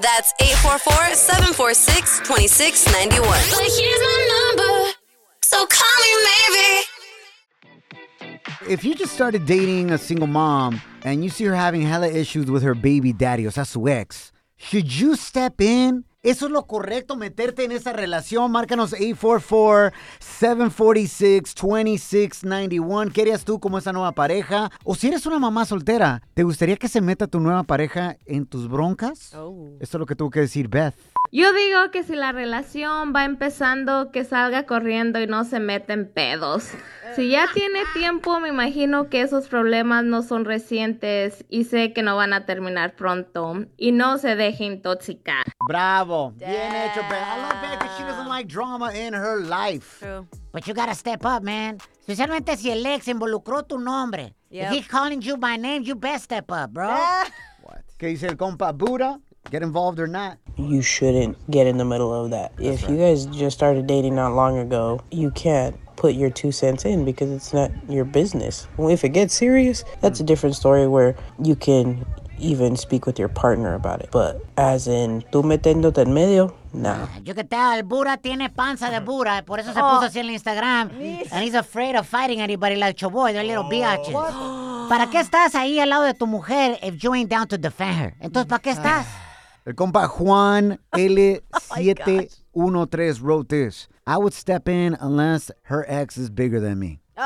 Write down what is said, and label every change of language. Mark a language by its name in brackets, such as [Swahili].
[English] That's 844-746-2691. But here's my number. So call me maybe. If you just started dating a single mom and you see her having hella issues with her baby daddy, o sea, su ex, should you step in? [Spanish] ¿Eso es lo correcto, meterte en esa relación? Márcanos 844-746-2691. ¿Qué harías tú como esa nueva pareja? O si eres una mamá soltera, ¿te gustaría que se meta tu nueva pareja en tus broncas? Oh. Esto es lo que tuvo que decir Beth. Yo digo que si la relación va empezando, que salga corriendo y no se meta en pedos. Si ya tiene tiempo, me imagino que esos problemas no son recientes y sé que no van a terminar pronto. Y no se deje intoxicar. [English] Bravo. Yeah. Bien hecho, Beth. I love Beth because she doesn't like drama in her life. True. But you gotta step up, man. Especialmente si el ex involucró tu nombre. Yep. If he's calling you by name, you best step up, bro. [Spanish] What? ¿Qué dice el compa Buda? Get involved or not? [English] You shouldn't get in the middle of that. That's if right. You guys just started dating not long ago, you can't put your two cents in because it's not your business. If it gets serious, that's a different story where you can even speak with your partner about it. But as in, tú metiéndote en medio, nah. [Spanish] Yo que tal, el Bura tiene panza de Bura. Por eso se puso así en Instagram. [English] And he's afraid of fighting anybody like Shoboy. They're little biatches. What? [Spanish] ¿Para qué estás ahí al lado de tu mujer if you ain't down to defend her? Entonces, ¿para qué estás? [English] El compa Juan L713 wrote this. I would step in unless her ex is bigger than me.